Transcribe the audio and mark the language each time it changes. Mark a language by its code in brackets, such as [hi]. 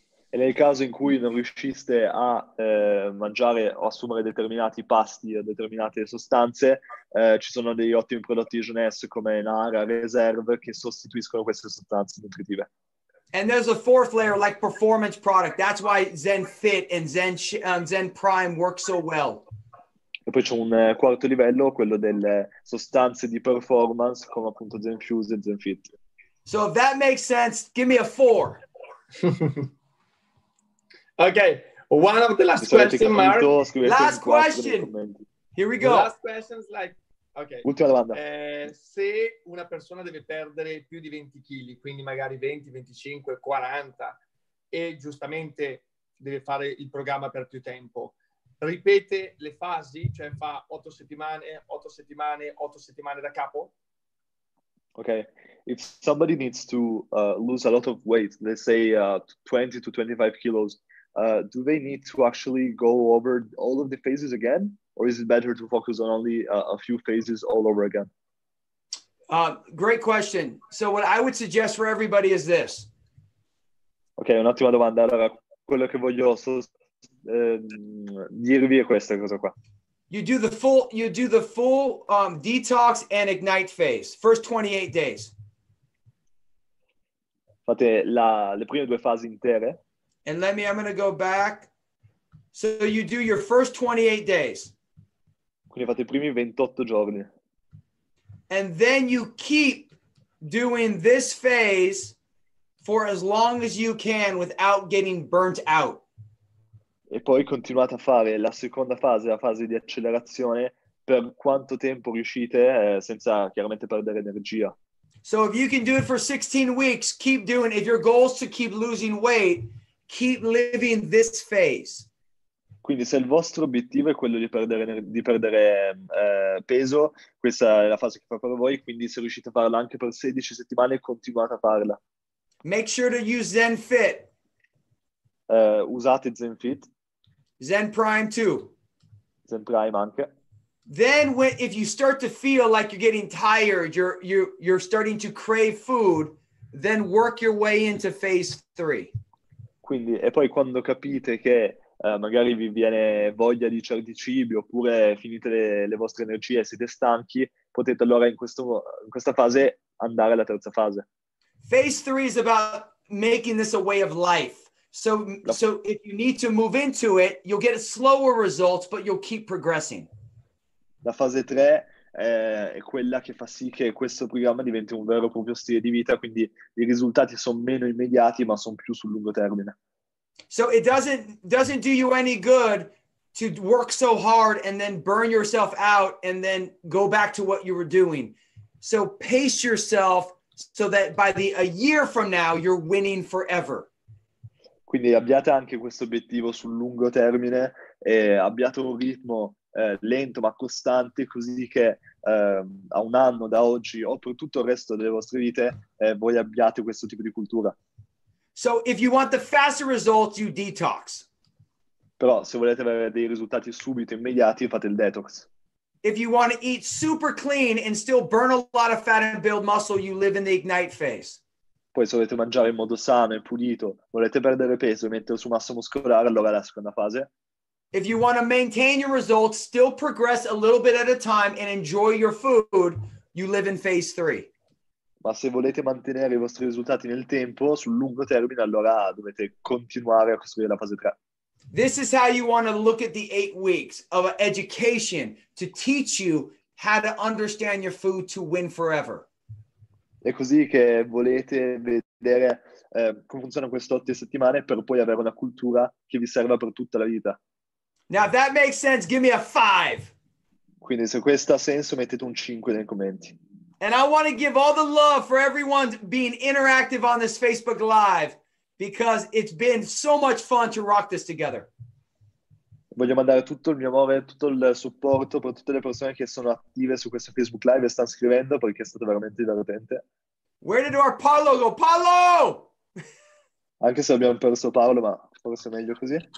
[it] E nel caso in cui non riusciste a mangiare o assumere determinati pasti o determinate sostanze, ci sono degli ottimi prodotti di jeunesse come NARA, Reserve, che sostituiscono queste sostanze nutritive. [en] And there's a fourth layer, like performance product. That's why Zen Fit and Zen Prime work so well. [it] E poi c'è un quarto livello, quello delle sostanze di performance, come appunto Zenfuse e Zenfit. [en] So if that makes sense, give me a 4. Okay, one of the last questions, Mark. Last question. Here we go. Last question is like, okay. [it] Ultima domanda. Se una persona deve perdere più di 20 kg, quindi magari 20, 25, 40, e giustamente deve fare il programma per più tempo, ripete le fasi, cioè fa 8 settimane da capo? [en] Okay, if somebody needs to lose a lot of weight, let's say 20 to 25 kilos, do they need to actually go over all of the phases again? Or is it better to focus on only a few phases all over again? Great question. So what I would suggest for everybody is this. [it] Okay, un'ottima domanda. Allora, quello che voglio dirvi è questa cosa qua. [en] You do the full detox and ignite phase. First 28 days. [it] Fate le prime due fasi intere. [en] And let me, I'm going to go back. So you do your first 28 days. [it] Quindi fate i primi 28 giorni. [en] And then you keep doing this phase for as long as you can without getting burnt out. [it] E poi continuate a fare la seconda fase, la fase di accelerazione, per quanto tempo riuscite, senza chiaramente perdere energia. [en] So if you can do it for 16 weeks, keep doing it. If your goal is to keep losing weight, keep living this phase. [it] Quindi se il vostro obiettivo è quello di perdere peso, questa è la fase che fa per voi, quindi se riuscite a farla anche per 16 settimane, continuate a farla. [en] Make sure to use Zen Fit. [it] Usate Zen Fit. [en] Zen Prime too. [it] Zen Prime anche. [en] Then if you start to feel like you're getting tired, you're starting to crave food, then work your way into phase 3. [it] Quindi, e poi quando capite che magari vi viene voglia di certi cibi, oppure finite le vostre energie e siete stanchi, potete allora in questa fase andare alla terza fase. [en] Phase 3 is about making this a way of life. So if you need to move into it, you'll get slower results, but you'll keep progressing. [it] La fase 3 è quella che fa sì che questo programma diventi un vero e proprio stile di vita, quindi i risultati sono meno immediati, ma sono più sul lungo termine. [en] So it doesn't do you any good to work so hard and then burn yourself out and then go back to what you were doing. So pace yourself so that by a year from now you're winning forever. [it] Quindi abbiate anche questo obiettivo sul lungo termine e abbiate un ritmo lento ma costante, così che a un anno da oggi o per tutto il resto delle vostre vite voi abbiate questo tipo di cultura. [en] So if you want the faster results, you detox. [it] Però se volete avere dei risultati subito immediati, fate il detox. [en] If you want to eat super clean and still burn a lot of fat and build muscle, you live in the ignite phase. [it] Poi se volete mangiare in modo sano e pulito, volete perdere peso e mettere su massa muscolare, allora è la seconda fase. [en] If you want to maintain your results, still progress a little bit at a time and enjoy your food, you live in phase 3. [it] Ma se volete mantenere i vostri risultati nel tempo, sul lungo termine, allora dovete continuare a costruire la fase 3. [en] This is how you want to look at the 8 weeks of education to teach you how to understand your food to win forever. [it] È così che volete vedere come funziona queste 8 settimane per poi avere una cultura che vi serva per tutta la vita. [en] Now if that makes sense, give me a 5. [it] Quindi se questo ha senso, mettete un 5 nei commenti. [en] And I want to give all the love for everyone being interactive on this Facebook Live, because it's been so much fun to rock this together. [it] Voglio mandare tutto il mio amore, tutto il supporto per tutte le persone che sono attive su questo Facebook Live e stanno scrivendo, perché è stato veramente divertente. [en] Where did our Paolo go? Paolo! [it] Anche se abbiamo perso Paolo, ma forse è meglio così.